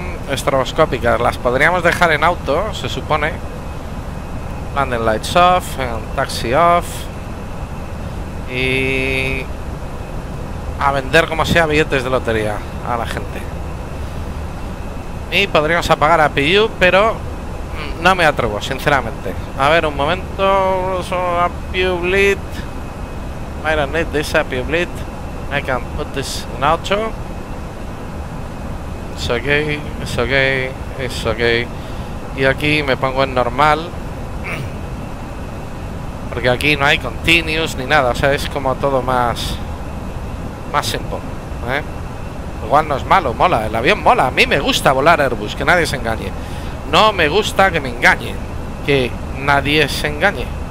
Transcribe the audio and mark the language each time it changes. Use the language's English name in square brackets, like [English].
[Spanish] estroboscópicas. Las podríamos dejar en auto, se supone. [English] Landing lights off, taxi off. [Spanish] Y a vender como sea billetes de lotería a la gente. Y podríamos apagar a PU, pero no me atrevo, sinceramente. A ver, un momento. A PU bleed. [English] I don't need this API bleed. I can put this in auto. It's okay, it's okay, it's okay. [Spanish] Y aquí me pongo en normal. Porque aquí no hay continuous ni nada. O sea, es como todo más. Más simple, ¿eh? Igual no es malo, mola. El avión mola. A mí me gusta volar Airbus, que nadie se engañe. No me gusta que me engañen. Que nadie se engañe.